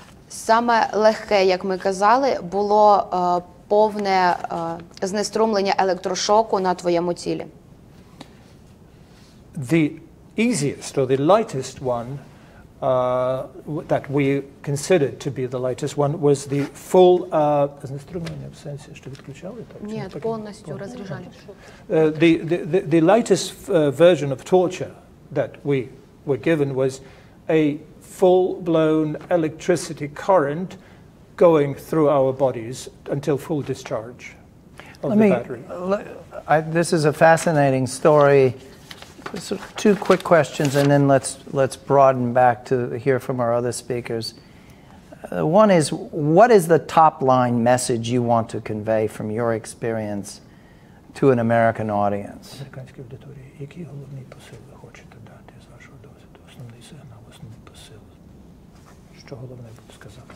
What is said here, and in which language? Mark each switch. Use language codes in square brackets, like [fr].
[uk] Саме легке, як ми казали, було повне знеструмлення електрошоку на твоєму тілі. [en] The easiest or the lightest one that we considered to be the lightest one was the full [uk] знеструмлення в сенсі, що відключали, так? Ні, повністю розряджали. [en] The lightest version of torture that we were given was a full blown electricity current going through our bodies until full discharge of the battery. This is a fascinating story. So two quick questions, and then let's broaden back to hear from our other speakers. One is, what is the top line message you want to convey from your experience to an American audience? [uk] Американській аудиторії, який головний посил ви хочете дати з вашого досвіду? Основний сигнал, основний посил. Що головне буде сказати?